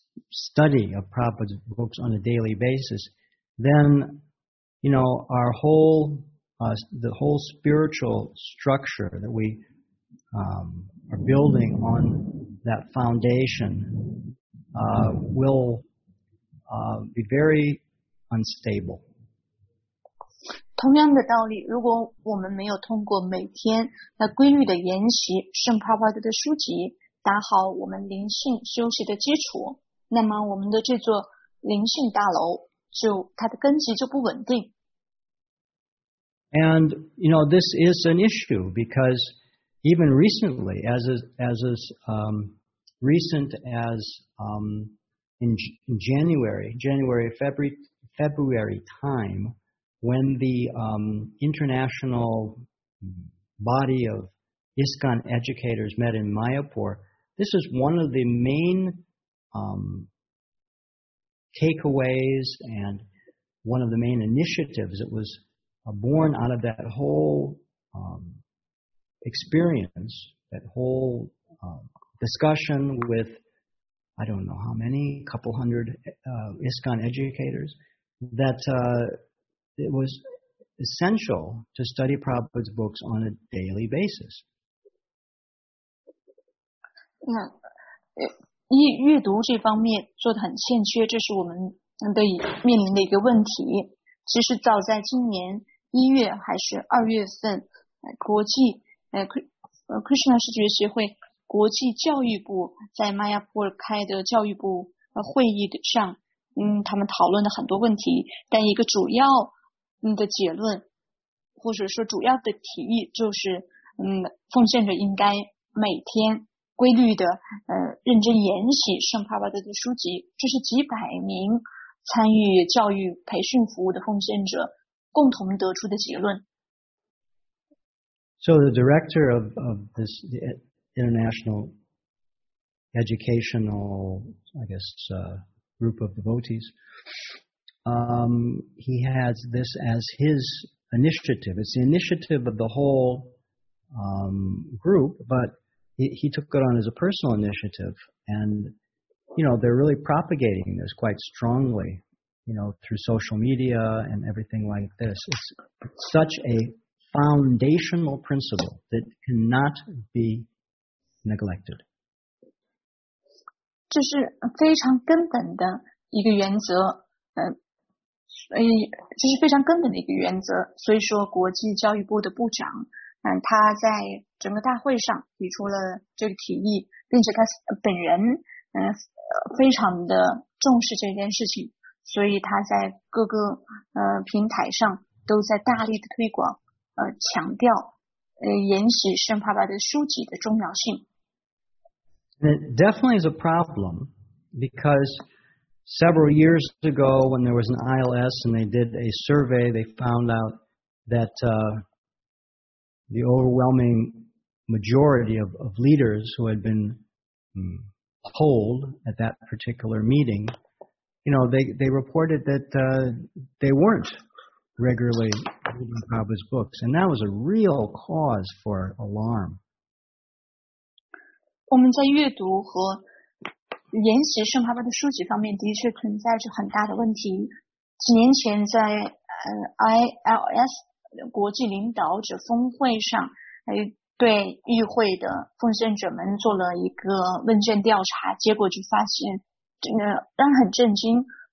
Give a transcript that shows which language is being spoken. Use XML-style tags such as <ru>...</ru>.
<en>study of Prabhupada's books on a daily basis, then, you know, our whole the whole spiritual structure that we are building on that foundation will be very unstable.</en> <zh>同样的道理，如果我们没有通过每天那规律的研习圣帕帕德的书籍，打好我们灵性休息的基础，那么我们的这座灵性大楼就它的根基就不稳定。</zh> <en>And you know this is an issue because even recently, as recent as in January, February time, when the international body of ISKCON educators met in Mayapur, this is one of the main takeaways and one of the main initiatives that was born out of that whole experience, that whole discussion with, I don't know how many, a couple hundred ISKCON educators, that it was essential to study Prabhupada's books on a daily basis.</en> <zh>阅读这方面做得很欠缺，这是我们的面临的一个问题。其实早在今年一月还是二月份，国际Krishna 世觉协会国际教育部在 Mayapur 开的教育部会议上，他们讨论了很多问题，但一个主要的结论或者说主要的提议就是奉献者应该每天规律的认真研习圣帕巴德的书籍，这是几百名参与教育培训服务的奉献者共同得出的结论。</zh> <en>So the director of this international educational, I guess, group of devotees, he has this as his initiative. It's the initiative of the whole group, but he took it on as a personal initiative. And, you know, they're really propagating this quite strongly, you know, through social media and everything like this. It's such a foundational principle that cannot be neglected.</en> <zh>这是非常根本的一个原则，这是非常根本的一个原则。所以说，国际教育部的部长，他在整个大会上提出了这个提议，并且他本人，非常的重视这件事情，所以他在各个平台上都在大力的推广。强调研习圣帕巴德书籍的重要性。</zh> <en>It definitely is a problem because several years ago when there was an ILS and they did a survey, they found out that the overwhelming majority of leaders who had been polled at that particular meeting, you know, they reported that they weren't regularly reading Prabhupada's books, and that was a real cause for alarm.</en> <zh>我们在阅读和研习圣帕巴德书籍方面的确存在着很大的问题。几年前在ILS 国际领导者峰会上，对与会的奉献者们做了一个问卷调查，结果就发现，让人很震惊。</zh>